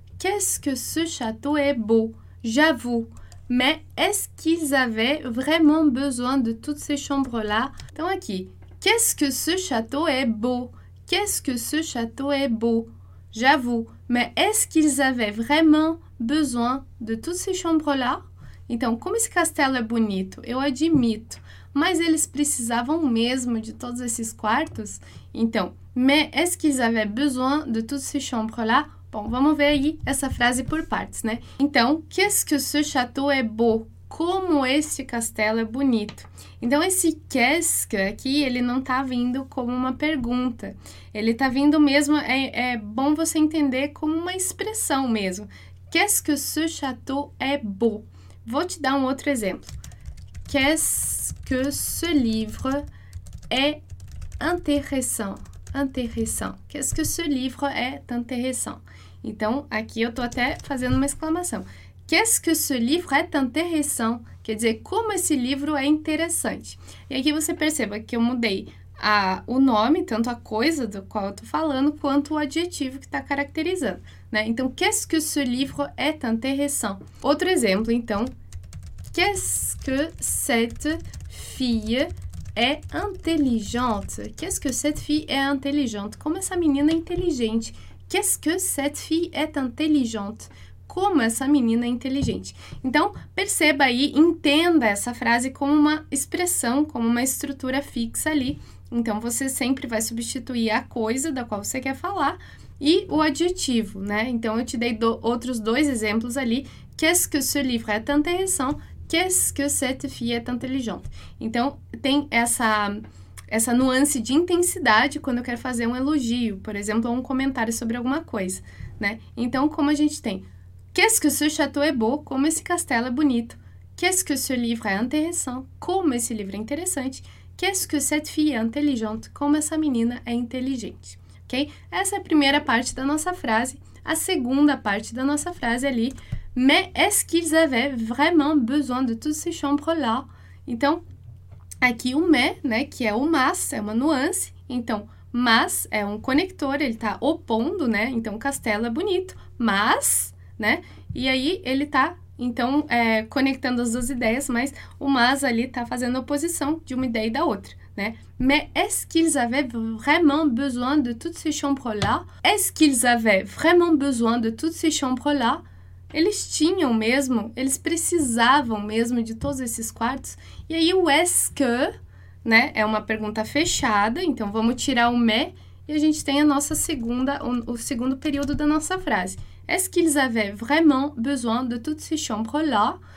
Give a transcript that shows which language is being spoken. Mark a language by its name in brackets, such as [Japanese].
[French] Qu'est-ce que ce château est beau? J'avoue, mais est-ce qu'ils avaient vraiment besoin de toutes ces chambres-là? [Portuguese] Então aqui, [French] qu'est-ce que ce château est beau? Qu'est-ce que ce château est beau? J'avoue, mais est-ce qu'ils avaient vraiment besoin de toutes ces chambres-là? [Portuguese] Então, como esse castelo é bonito, eu admito, mas eles precisavam mesmo de todos esses quartos? [French] Então, mais est-ce qu'ils avaient besoin de toutes ces chambres-là? [Portuguese] Bom, vamos ver aí essa frase por partes, né? [French] Então, qu'est-ce que ce château est beau? [Portuguese] Como esse castelo é bonito? Então, esse qu'est-ce aqui, ele não está vindo como uma pergunta. Ele está vindo mesmo, é bom você entender como uma expressão mesmo. [French] Qu'est-ce que ce château est beau? [Portuguese] Vou te dar um outro exemplo. [French] Qu'est-ce que ce livre est intéressant? Intéressant. Qu'est-ce que ce livre est intéressant? [Portuguese] Então, aqui eu estou até fazendo uma exclamação. [French] Qu'est-ce que ce livre est intéressant? [Portuguese] Quer dizer, como esse livro é interessante? E aqui você perceba que eu mudei o nome, tanto a coisa do qual eu estou falando, quanto o adjetivo que está caracterizando, né? [French] Então, qu'est-ce que ce livre est intéressant? [Portuguese] Outro exemplo, então. [French] Qu'est-ce que cette fille est intelligente? Qu'est-ce que cette fille est intelligente? [Portuguese] Como essa menina é inteligente? [French] Qu'est-ce que cette fille est intelligente? [Portuguese] Como essa menina é inteligente? Então, perceba aí, entenda essa frase como uma expressão, como uma estrutura fixa ali. Então, você sempre vai substituir a coisa da qual você quer falar e o adjetivo, né? Então, eu te dei outros dois exemplos ali. [French] Qu'est-ce que ce livre est intéressant? Qu'est-ce que cette fille est intelligente? [Portuguese] Então, tem essa nuance de intensidade quando eu quero fazer um elogio, por exemplo, ou um comentário sobre alguma coisa, né? Então, como a gente tem? [French] Qu'est-ce que ce château est beau? [Portuguese] Como esse castelo é bonito? [French] Qu'est-ce que ce livre est intéressant? [Portuguese] Como esse livro é interessante? [French] Qu'est-ce que cette fille est intelligente? [Portuguese] Como essa menina é inteligente? Ok? Essa é a primeira parte da nossa frase. A segunda parte da nossa frase ali. [French] Mais est-ce qu'ils avaient vraiment besoin de toutes ces chambres-là? [Portuguese] Então, aqui o mais, né, que é o mas, é uma nuance. Então, mas é um conector, ele está opondo, né? Então, o castelo é bonito, mas, né? E aí ele está, então, conectando as duas ideias, mas o mas ali está fazendo oposição de uma ideia e da outra, né? [French] Mais est-ce qu'ils avaient vraiment besoin de toutes ces chambres-là? Est-ce qu'ils avaient vraiment besoin de toutes ces chambres-là? [Portuguese] Eles tinham mesmo, eles precisavam mesmo de todos esses quartos. E aí o est-ce que, né, é uma pergunta fechada, então vamos tirar o mais e a gente tem a nossa segunda, o segundo período da nossa frase. [French] Est-ce qu'ils avaient vraiment besoin de toutes ces chambres-là?